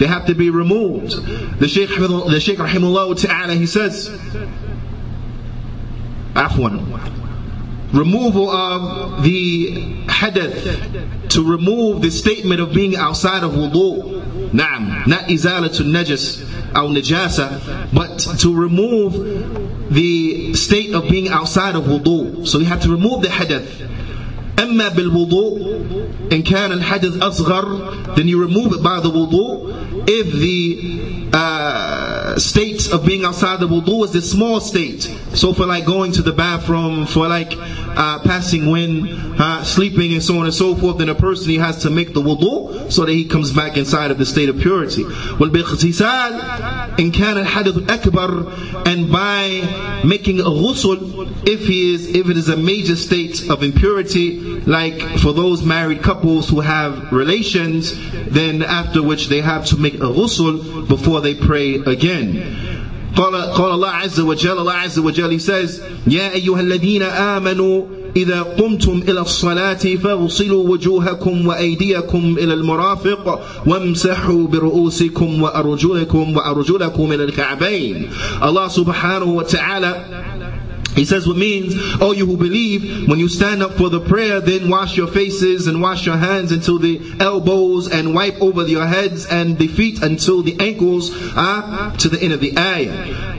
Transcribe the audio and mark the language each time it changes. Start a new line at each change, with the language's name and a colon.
English: They have to be removed. The Shaykh rahimahullah ta'ala, he says, afwan, removal of the hadith, to remove the statement of being outside of wudu, na'am, not
Arabic: izalatu najas aw najasa,
English: but to remove the state of being outside of wudu. So we have to remove the hadith.
Arabic: أما بالوضوء إن كان الحدث أصغر,
English: then you remove it by the wudu. If the state of being outside the wudu is the small state, so for like going to the bathroom, for like passing wind, sleeping and so on and so forth, then a person, he has to make the wudu so that he comes back inside of the state of purity.
Arabic: والبغتسال إن كان الحدث أكبر,
English: and by making a ghusl, if it is a major state of impurity, like for those married couples who have relations, then after which they have to make a ghusl before they pray again.
Arabic: قال الله عز وجل, الله عز وجل,
English: he says,
Arabic: يا أيها الذين آمنوا إذا قمتم إلى الصلاة فاغسلوا وجوهكم وأيديكم إلى المرافق وامسحوا برؤوسكم وأرجلكم وأرجلكم إلى الكعبين.
English: الله سبحانه وتعالى, he says, what means, oh, you who believe, when you stand up for the prayer, then wash your faces and wash your hands until the elbows, and wipe over your heads and the feet until the ankles, to the end of the ayah.